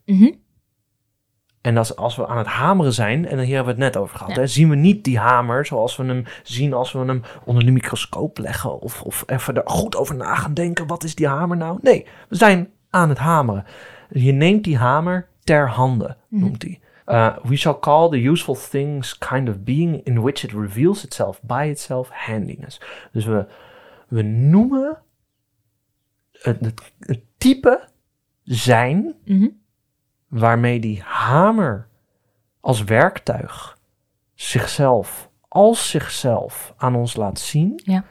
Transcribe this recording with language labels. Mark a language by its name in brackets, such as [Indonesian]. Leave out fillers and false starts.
[Dutch] Mm-hmm. En als we aan het hameren zijn, en hier hebben we het net over gehad, ja. Hè, zien we niet die hamer zoals we hem zien als we hem onder de microscoop leggen. Of even er goed over na gaan denken, wat is die hamer nou? Nee, we zijn aan het hameren. Je neemt die hamer ter handen, noemt hij. [English] We shall call the useful things kind of being in which it reveals itself by itself handiness. [Dutch] Dus we noemen het type zijn... Mm-hmm. Waarmee die hamer als werktuig zichzelf, als zichzelf aan ons laat zien. Ja.